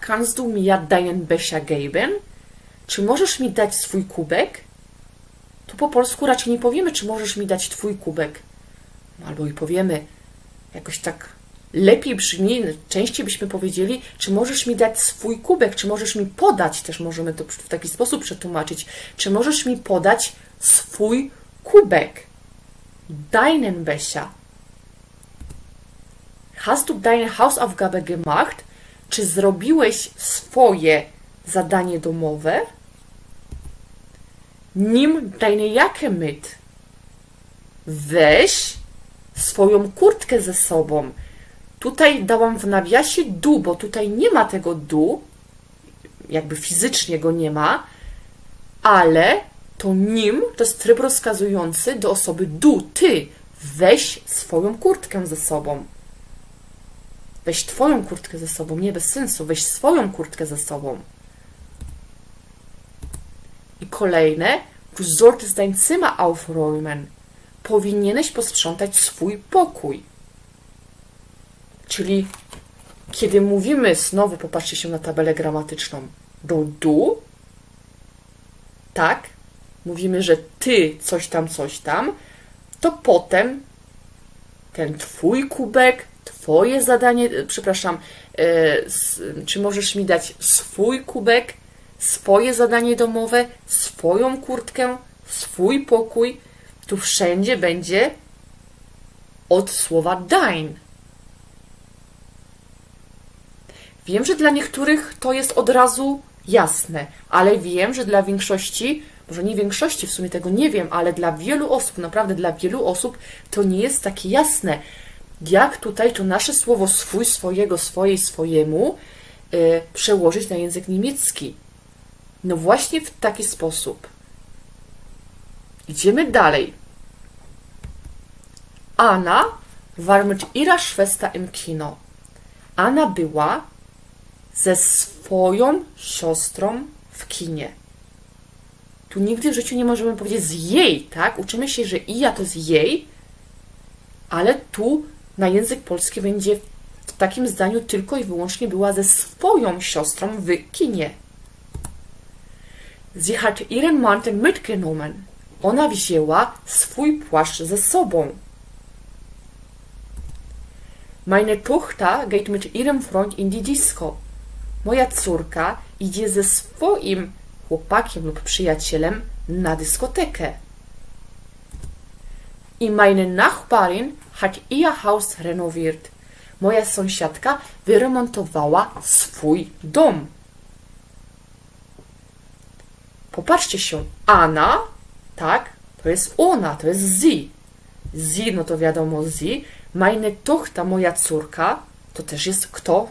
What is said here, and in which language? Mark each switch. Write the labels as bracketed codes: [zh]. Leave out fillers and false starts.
[de] Kannst du mir deinen Becher geben? [pl] Czy możesz mi dać swój kubek? Tu po polsku raczej nie powiemy, czy możesz mi dać twój kubek. Albo i powiemy, jakoś tak lepiej brzmi, częściej byśmy powiedzieli, czy możesz mi dać swój kubek, czy możesz mi podać, też możemy to w taki sposób przetłumaczyć, czy możesz mi podać swój kubek. [de] Deinen Becher. Hast du deine Hausaufgabe gemacht? [pl] Czy zrobiłeś swoje zadanie domowe? [de] Nimm deine Jacke mit. [pl] Weź swoją kurtkę ze sobą. Tutaj dałam w nawiasie du, bo tutaj nie ma tego du, jakby fizycznie go nie ma, ale to nim to jest tryb rozkazujący do osoby du, ty, weź swoją kurtkę ze sobą. Weź twoją kurtkę ze sobą, nie bez sensu, weź swoją kurtkę ze sobą. I kolejne, [de] du solltest dein Zimmer aufräumen. [pl] Powinieneś posprzątać swój pokój. Czyli kiedy mówimy, znowu popatrzcie się na tabelę gramatyczną, do du, tak, mówimy, że ty coś tam, to potem ten twój kubek, twoje zadanie, przepraszam, czy możesz mi dać swój kubek, swoje zadanie domowe, swoją kurtkę, swój pokój, tu wszędzie będzie od słowa dein. Wiem, że dla niektórych to jest od razu jasne, ale wiem, że dla większości, może nie większości, w sumie tego nie wiem, ale dla wielu osób, naprawdę dla wielu osób, to nie jest takie jasne, jak tutaj to nasze słowo swój, swojego, swojej, swojemu przełożyć na język niemiecki. No właśnie w taki sposób. Idziemy dalej. [de] Anna war mit ihrer Schwester im Kino. [pl] Anna była ze swoją siostrą w kinie. Tu nigdy w życiu nie możemy powiedzieć z jej, tak? Uczymy się, że i ja to z jej, ale tu na język polski będzie w takim zdaniu tylko i wyłącznie była ze swoją siostrą w kinie. [de] Sie hat ihren Mantel mitgenommen. [pl] Ona wzięła swój płaszcz ze sobą. [de] Meine Tochter geht mit ihrem Freund in die Disco. [pl] Moja córka idzie ze swoim chłopakiem lub przyjacielem na dyskotekę. [de] I meine Nachbarin hat ihr Haus renoviert. [pl] Moja sąsiadka wyremontowała swój dom. Popatrzcie się. Anna, tak, to jest ona, to jest sie. Sie, no to wiadomo, sie. [de] Meine Tochter, [pl] moja córka, to też jest kto?